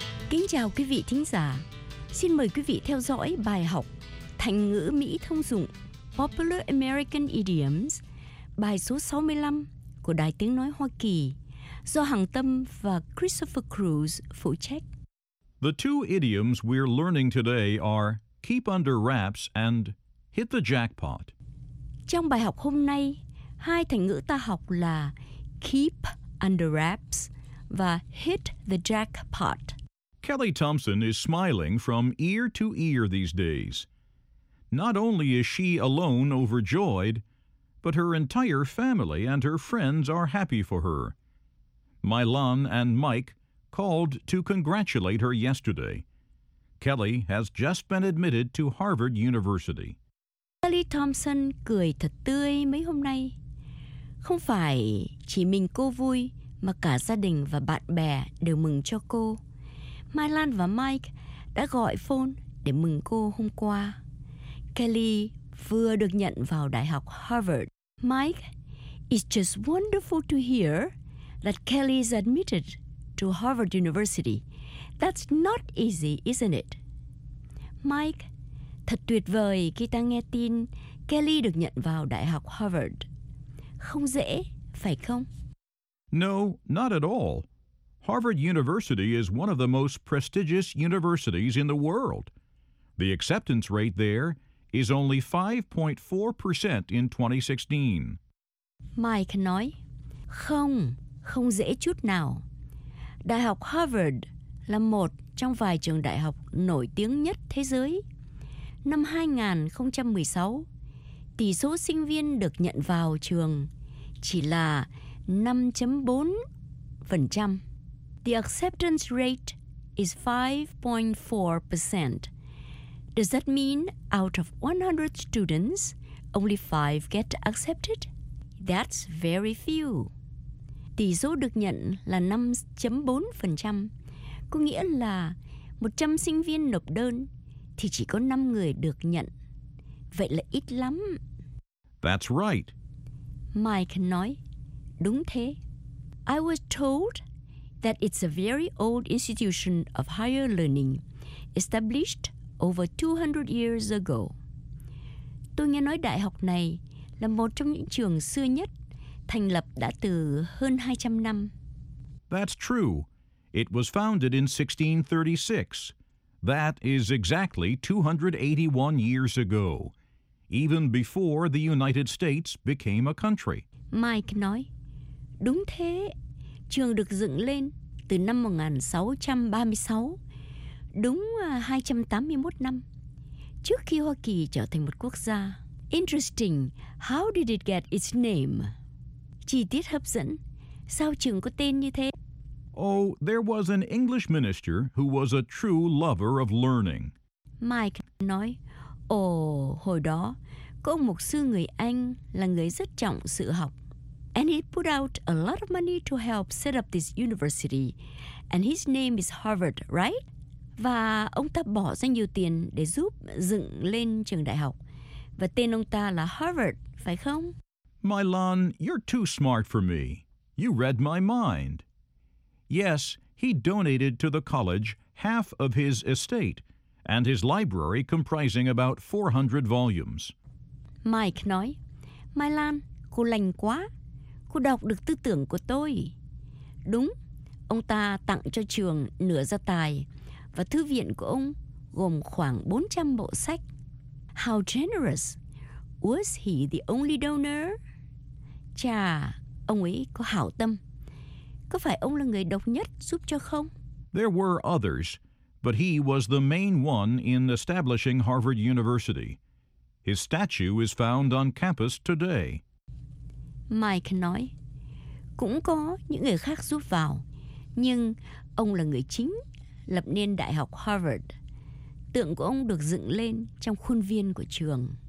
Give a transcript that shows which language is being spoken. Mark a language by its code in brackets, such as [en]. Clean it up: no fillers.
[vi] Kính chào quý vị thính giả. Xin mời quý vị theo dõi bài học Thành ngữ Mỹ thông dụng Popular American Idioms, bài số 65 của Đài Tiếng Nói Hoa Kỳ, do Hằng Tâm và Christopher Cruz phụ trách. [en] The two idioms we're learning today are keep under wraps and hit the jackpot. [vi] Trong bài học hôm nay, hai thành ngữ ta học là keep under wraps và hit the jackpot. [en] Kelly Thompson is smiling from ear to ear these days. Not only is she alone overjoyed, but her entire family and her friends are happy for her. Mylon and Mike called to congratulate her yesterday. Kelly has just been admitted to Harvard University. [vi] Kelly Thompson cười thật tươi mấy hôm nay. Không phải chỉ mình cô vui, mà cả gia đình và bạn bè đều mừng cho cô. Mylon và Mike đã gọi phone để mừng cô hôm qua. Kelly vừa được nhận vào Đại học Harvard. [en] Mike, it's just wonderful to hear that Kelly is admitted to Harvard University. That's not easy, isn't it? [vi] Mike, thật tuyệt vời khi ta nghe tin Kelly được nhận vào Đại học Harvard. Không dễ, phải không? [en] No, not at all. Harvard University is one of the most prestigious universities in the world. The acceptance rate there is only 5.4% in 2016. [vi] Mike nói, không, không dễ chút nào. Đại học Harvard là một trong vài trường đại học nổi tiếng nhất thế giới. Năm 2016, tỷ số sinh viên được nhận vào trường chỉ là 5.4%. [en] The acceptance rate is 5.4%. Does that mean out of 100 students, only 5 get accepted? That's very few. [vi] Tỷ số được nhận là 5.4%, có nghĩa là 100 sinh viên nộp đơn thì chỉ có 5 người được nhận. Vậy là ít lắm. [en] That's right. [vi] Mike nói, đúng thế. [en] I was told that it's a very old institution of higher learning, established over 200 years ago. [vi] Tôi nghe nói đại học này là một trong những trường xưa nhất, thành lập đã từ hơn 200 năm. [en] That's true. It was founded in 1636. That is exactly 281 years ago, even before the United States became a country. [vi] Mike nói, đúng thế. Trường được dựng lên từ năm 1636, đúng 281 năm, trước khi Hoa Kỳ trở thành một quốc gia. [en] Interesting, how did it get its name? [vi] Chi tiết hấp dẫn, sao trường có tên như thế? [en] Oh, there was an English minister who was a true lover of learning. [vi] Mike nói, Ồ, hồi đó, có ông mục sư người Anh là người rất trọng sự học. [en] And he put out a lot of money to help set up this university. And his name is Harvard, right? [vi] Và ông ta bỏ ra nhiều tiền để giúp dựng lên trường đại học. Và tên ông ta là Harvard, phải không? [en] Milan, you're too smart for me. You read my mind. Yes, he donated to the college half of his estate and his library comprising about 400 volumes. [vi] Mike nói, Milan, cô lành quá. Cô đọc được tư tưởng của tôi. Đúng, ông ta tặng cho trường nửa gia tài và thư viện của ông gồm khoảng 400 bộ sách. [en] How generous! Was he the only donor? [vi] Chà, ông ấy có hảo tâm. Có phải ông là người độc nhất giúp cho không? [en] There were others, but he was the main one in establishing Harvard University. His statue is found on campus today. [vi] Mike nói, cũng có những người khác giúp vào, nhưng ông là người chính lập nên Đại học Harvard. Tượng của ông được dựng lên trong khuôn viên của trường.